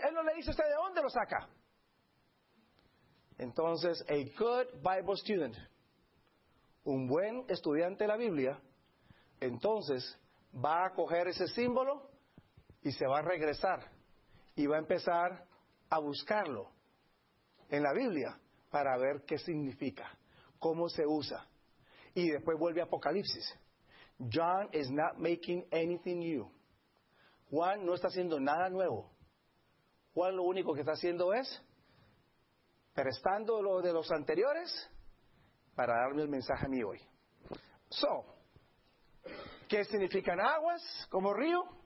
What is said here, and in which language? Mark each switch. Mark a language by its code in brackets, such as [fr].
[es] Él no le dice a usted de dónde lo saca. Entonces, [en] a good Bible student, [es] un buen estudiante de la Biblia, entonces va a coger ese símbolo y se va a regresar y va a empezar a buscarlo en la Biblia para ver qué significa, cómo se usa. Y después vuelve a Apocalipsis. [en] John is not making anything new. [es] Juan no está haciendo nada nuevo. Juan lo único que está haciendo es prestando lo de los anteriores para darme el mensaje a mí hoy. So, ¿qué significan aguas como río?